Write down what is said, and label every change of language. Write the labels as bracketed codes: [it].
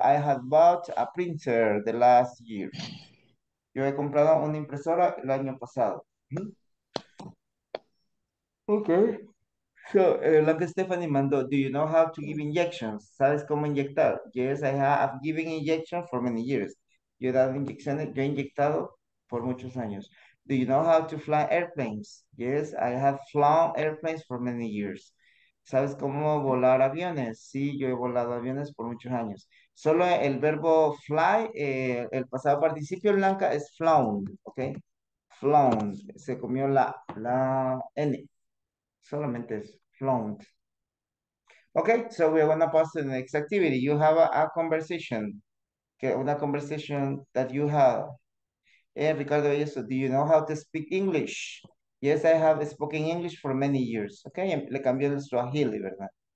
[en] I had bought a printer the last year. [es] Yo he comprado una impresora el año pasado. [en] Okay. So, [es] lo que Stephanie mandó, [en] do you know how to give injections? [es] ¿Sabes cómo inyectar? [en] Yes, I have given injections for many years. [es] Yo he dado inyecciones, yo he inyectado por muchos años. [en] Do you know how to fly airplanes? Yes, I have flown airplanes for many years. [es] ¿Sabes cómo volar aviones? Sí, yo he volado aviones por muchos años. Solo el verbo fly, el pasado participio, Blanca, es flown, ¿ok? Flown, se comió la N. Solamente es flown. [en] Ok, so we're going to pause to the next activity. You have a conversation. Okay, [es] una [en] conversation that you have. Ricardo, so do you know how to speak English? Yes, I have spoken English for many years. [es] Okay, le cambié el nuestro a Hilly, ¿verdad?